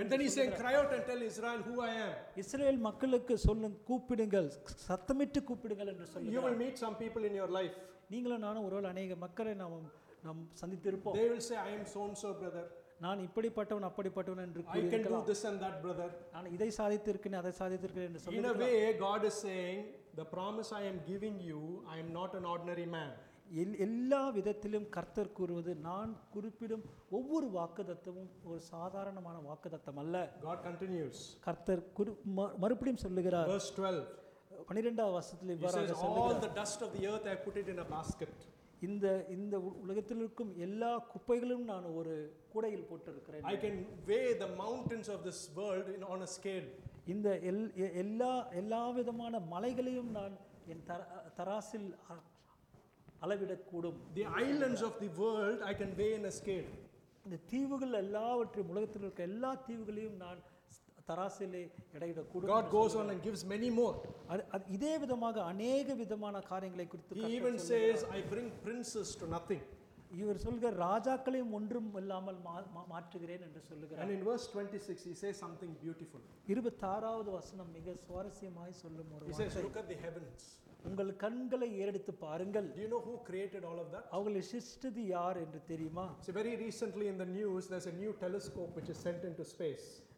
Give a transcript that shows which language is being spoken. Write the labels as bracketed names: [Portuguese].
[English] And then he saying cry out and tell Israel who I am. [Tamil] இஸ்ரவேல் மக்களுக்கு சொல்லும் கூப்பிடுங்கள், சத்தமிட்டு கூப்பிடுங்கள் என்று சொல்லுங்கள். [English] You will meet some people in your life. [Tamil] நீங்களும் நானும் ஒருவேள் அநேக மக்களை நாம் சந்தித்திருப்போம். [English] They will say I am so and so brother. [Tamil] நான் இப்படிப்பட்டவன் அப்படிப்பட்டவன் என்று கூறுவீர்கள். [English] I can do this and that brother. [Tamil] நான் இதை சாதித்திருக்கேன் அதை சாதித்திருக்கேன் என்று சொல்லுவீர்கள். [English] In a way God is saying the promise I am giving you I am not an ordinary man. [Tamil] எல்லா விதத்திலும் கர்த்தர் கூறுவது நான் குறிப்பிடும் ஒவ்வொரு வாக்குத்தத்தமும் ஒரு சாதாரணமான வாக்குத்தத்தம் அல்ல. [English] God continues. [Tamil] கர்த்தர் மறுபடியும் சொல்லுகிறார். [English] Verse 12. [Tamil] 12வது வசனத்தில் இவ்வாறு சொல்லுகிறார். [English] All the dust of the earth I put it in a basket. [Tamil] இந்த உலகத்தில் இருக்கும் எல்லா குப்பைகளையும் நான் ஒரு கூடையில் போட்டிருக்கிறேன். [English] I can weigh the mountains of this world in on a scale. [Tamil] இந்த எல்லா விதமான மலைகளையும் நான் என் தராசில் அளவிடக்கூடும். [English] The islands of the world I can weigh in a scale. [Tamil] இந்த தீவுகள் எல்லாவற்றையும் உலகத்தில் இருக்க எல்லா தீவுகளையும் நான் தராசிலே எடையிடக்கூடும். [English] God goes on and gives many more. [Tamil] இதே விதமாக அநேக விதமான காரியங்களை குறித்து [English] He even says I bring princes to nothing. [Tamil] இவர் சொல்கிற ராஜாக்களையும் ஒன்றும் இல்லாமல் மாற்றுகிறேன் என்று சொல்லுகிறார். [English] And in verse 26 he says something beautiful. [Tamil] 26வது வசனம் மிக சுவாரஸ்யமாய் சொல்லும் ஒரு வார்த்தை. [English] He says look at the heavens. [Tamil] உங்கள் கண்களை ஏறெடுத்து பாருங்கள். [English] Do you know who created all of that? [Tamil] அவர்களை சிருஷ்டித்தது யார் என்று தெரியுமா? [English] So very recently in the news there's a new telescope which is sent into space.